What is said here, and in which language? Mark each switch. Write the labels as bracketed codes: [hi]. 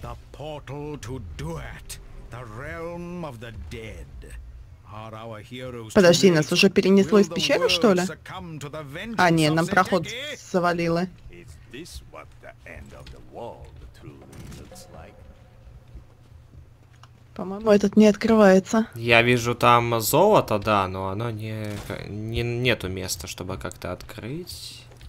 [en] The portal to Duat, the realm of the dead. Are our heroes? [ru] Подожди, нас уже перенесло из пещеры, что ли? А, не, нам проход завалило. [en] Is this what the end of the world truly looks like? [ru] По-моему, этот не открывается. Я вижу там золото, да, но оно нету места, чтобы как-то открыть.